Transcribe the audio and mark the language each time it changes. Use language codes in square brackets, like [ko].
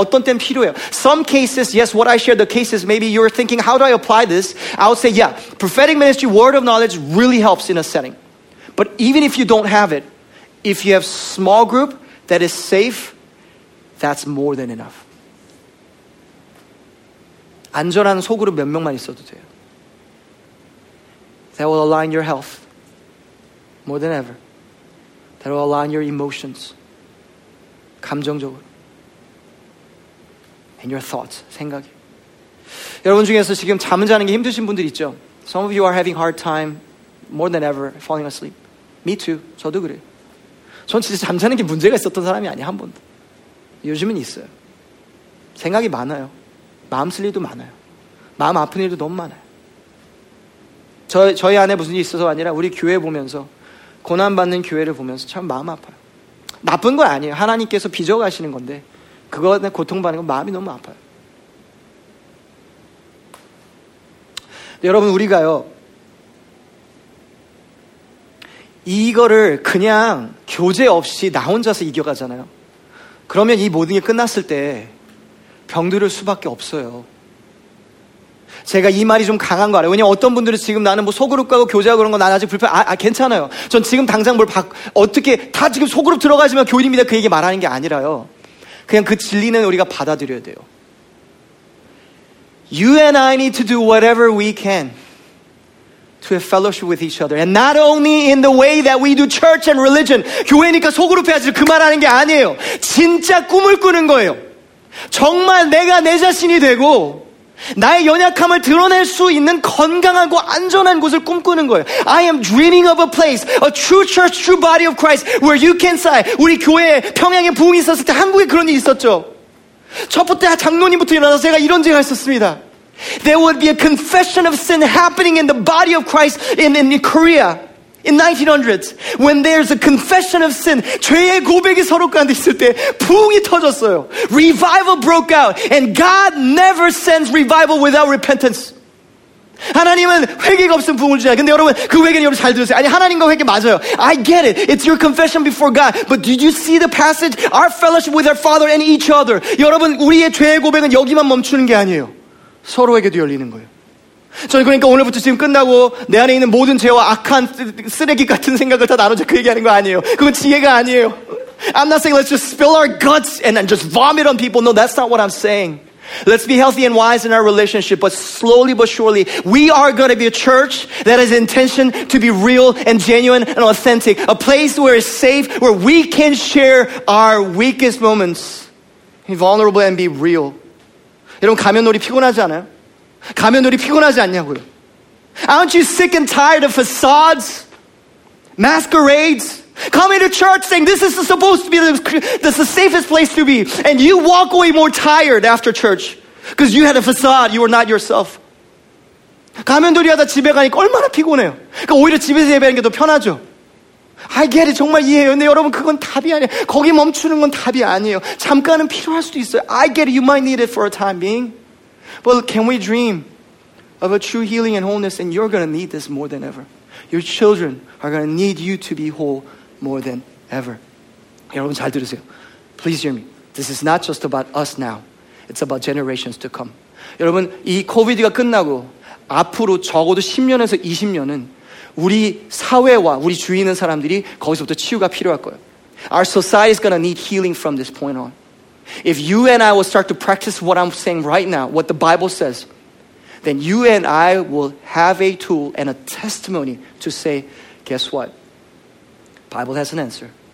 [ko] 어떤 때는 필요해요. [en] Some cases, yes, what I share the cases, maybe you're thinking, how do I apply this? I would say, yeah, prophetic ministry, word of knowledge really helps in a setting. But even if you don't have it, if you have small group that is safe, that's more than enough. [ko] 안전한 소그룹 몇 명만 있어도 돼요. [en] That will align your health more than ever. That will align your emotions, 감정적으로, and your thoughts, 생각이. [ko] 여러분 중에서 지금 잠을 자는 게 힘드신 분들 있죠? [en] Some of you are having hard time more than ever falling asleep. Me too, [ko] 저도 그래요. 전 진짜 잠 자는 게 문제가 있었던 사람이 아니에요, 한 번도. 요즘은 있어요. 생각이 많아요. 마음 쓸 일도 많아요. 마음 아픈 일도 너무 많아요. 저희 안에 무슨 일이 있어서 아니라 우리 교회 보면서 고난받는 교회를 보면서 참 마음 아파요. 나쁜 건 아니에요. 하나님께서 빚어가시는 건데 그거에 고통받는 건 마음이 너무 아파요. 여러분 우리가요 이거를 그냥 교제 없이 나 혼자서 이겨가잖아요. 그러면 이 모든 게 끝났을 때 병들을 수밖에 없어요. 제가 이 말이 좀 강한 거 알아요. 왜냐면 어떤 분들은 지금 나는 뭐 소그룹 가고 교제하고 그런 거 난 아직 불편. 아 괜찮아요. 전 지금 당장 뭘 어떻게 다 지금 소그룹 들어가지만 교인입니다 그 얘기 말하는 게 아니라요. 그냥 그 진리는 우리가 받아들여야 돼요. [en] You and I need to do whatever we can to have fellowship with each other. And not only in the way that we do church and religion. [ko] 교회니까 소그룹 해야지 그 말하는 게 아니에요. 진짜 꿈을 꾸는 거예요. 정말 내가 내 자신이 되고 나의 연약함을 드러낼 수 있는 건강하고 안전한 곳을 꿈꾸는 거예요. [en] I am dreaming of a place, a true church, true body of Christ where you can say, [ko] 우리 교회에 평양에 부흥이 있었을 때 한국에 그런 일이 있었죠. 첫부터 장로님부터 일어나서 제가 이런 제가 했었습니다. [en] There would be a confession of sin happening in the body of Christ in Korea in 1900s. When there's a confession of sin, [ko] 죄의 고백이 서로 가운데 있을 때 부흥이 터졌어요. [en] Revival broke out. And God never sends revival without repentance. [ko] 하나님은 회개가 없으면 부흥을 주잖아요. 근데 여러분 그 회개는 여러분 잘 들으세요. 아니 하나님과 회개 맞아요. [en] I get it. It's your confession before God. But did you see the passage? Our fellowship with our Father and each other. [ko] 여러분 우리의 죄의 고백은 여기만 멈추는 게 아니에요. 서로에게도 열리는 거예요. 저는 그러니까 오늘부터 지금 끝나고 내 안에 있는 모든 죄와 악한 쓰레기 같은 생각을 다 나눠서 그 얘기하는 거 아니에요. 그건 지혜가 아니에요. [en] I'm not saying let's just spill our guts and just vomit on people. No, that's not what I'm saying. Let's be healthy and wise in our relationship, but slowly but surely, we are going to be a church that has intention to be real and genuine and authentic. A place where it's safe, where we can share our weakest moments, be vulnerable and be real. [ko] 여러분 가면놀이 피곤하지 않아요? 가면놀이 피곤하지 않냐고요? [en] Aren't you sick and tired of facades? Masquerades? Coming to church saying this is supposed to be the safest place to be. And you walk away more tired after church. Because you had a facade. You were not yourself. [ko] 가면놀이 하다 집에 가니까 얼마나 피곤해요. 그러니까 오히려 집에서 예배하는 게 더 편하죠. [en] I get it. [ko] 정말 이해해요. 근데 여러분 그건 답이 아니에요. 거기 멈추는 건 답이 아니에요. 잠깐은 필요할 수도 있어요. [en] I get it. You might need it for a time being. But can we dream of a true healing and wholeness? And you're going to need this more than ever. Your children are going to need you to be whole more than ever. [ko] 여러분 잘 들으세요. [en] Please hear me. This is not just about us now. It's about generations to come. [ko] 여러분 이 코비드가 끝나고 앞으로 적어도 10년에서 20년은 우리 사회와 우리 주위에 있는 사람들이 거기서부터 치유가 필요할 거예요. [en] Our society is going to need healing from this point on. If you and I will start to practice what I'm saying right now, what the Bible says, then you and I will have a tool and a testimony to say, guess what? Bible has an answer.